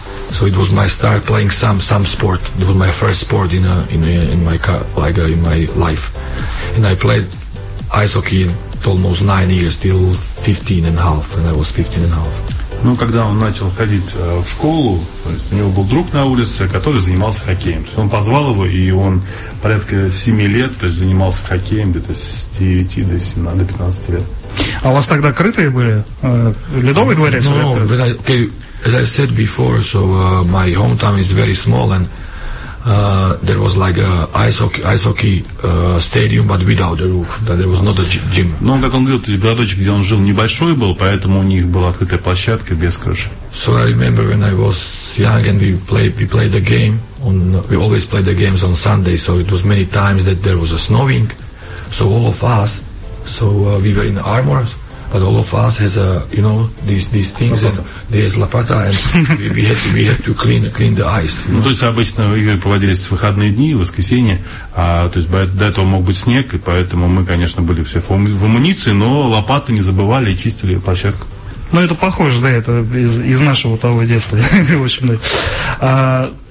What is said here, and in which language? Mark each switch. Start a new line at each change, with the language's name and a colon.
English: So it was my start playing some sport. It was my first sport in my life, and I played ice hockey almost 9 years till 15 and a half, and I was 15 and a half.
Russian: Ну, когда он начал ходить в школу, то есть у него был друг на улице, который занимался хоккеем. То есть он позвал его, и он порядка 7 лет, то есть занимался хоккеем где-то с 9 до 17, до 15 лет. А у вас тогда крытые были? Ледовый дворец?
English: No, but as I said before, so my hometown is very small, and there was like a ice hockey stadium, but without the roof. There was not a gym.
Russian: Но как он говорил, городочек, где он жил, небольшой был, поэтому у них была открытая площадка без крыши.
English: So I remember when I was young and we played a game. We always played the games on Sunday, so it was many times that there was a snowing. So all of us, we were in armors, but all of us has a, you know, these things, and there's lopata, and we had to clean the ice.
Russian: Ну, то есть обычно игры проводились в выходные дни, в воскресенье, а то есть до этого мог быть снег, и поэтому мы, конечно, были все в амуниции, но лопаты не забывали и чистили площадку. Ну, это похоже, да, это из нашего того детства, в общем, да.